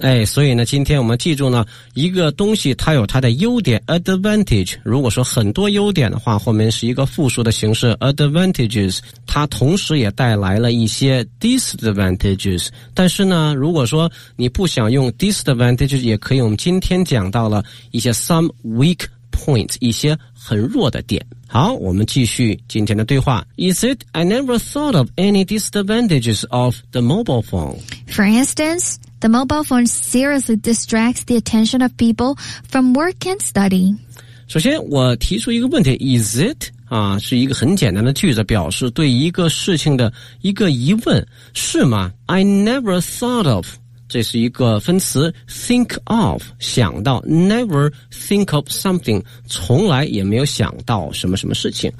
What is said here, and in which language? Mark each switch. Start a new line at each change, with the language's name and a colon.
Chinese: 哎，所以呢今天我们记住呢，一个东西它有它的优点 advantage， 如果说很多优点的话，后面是一个复数的形式 advantages，它同时也带来了一些 disadvantages。但是呢，如果说你不想用 disadvantages， 也可以，我们今天讲到了一些
English: some weak points，
Chinese: 一些很弱的点。好，我们继续今天的对话。
English: Is it I never thought of any disadvantages of the mobile phone? For instance, the mobile phone seriously distracts the attention of people from work and study.
Chinese: 首先我提出一个问题，
English: Is it
Chinese: 啊，是一个很简单的句子，表示对一个事情的一个疑问，是吗？
English: I never thought of，
Chinese: 这是一个分词， think of， 想到，
English: never think of something，
Chinese: 从来也没有想到什么什么事情。